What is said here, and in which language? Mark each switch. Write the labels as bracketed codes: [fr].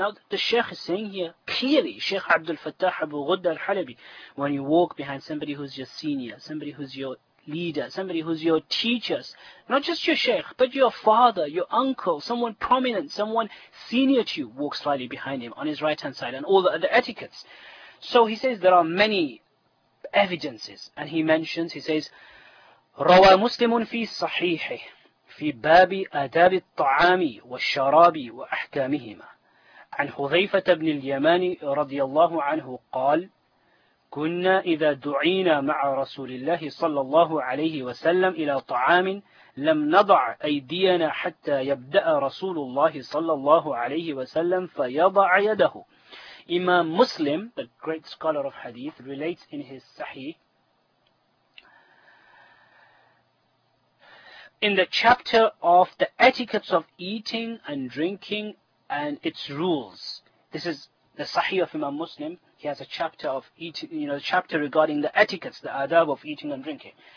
[en] Now, the Sheikh is saying here, clearly, Sheikh Abdul Fattah Abu Ghudda al-Halabi, when you walk behind somebody who's your senior, somebody who's your leader, somebody who's your teachers, not just your Sheikh, but your father, your uncle, someone prominent, someone senior to you, walk slightly behind him on his right-hand side, and all the other etiquettes. So he says there are many evidences, and he mentions, he says, [ar] روى مسلم في صحيحه في باب آداب الطعام والشراب وأحكامهما عن حذيفة بن اليمان رضي الله عنه قال كنا إذا دعينا مع رسول الله صلى الله عليه وسلم إلى طعام لم نضع أيدينا حتى يبدأ رسول الله صلى الله عليه وسلم فيضع يده. [en] Imam Muslim, the great scholar of hadith, relates in his Sahih, in the chapter of the etiquettes of eating and drinking and its rules. This is the Sahih of Imam Muslim. He has a chapter of eating, you know, a chapter regarding the etiquettes, the adab of eating and drinking.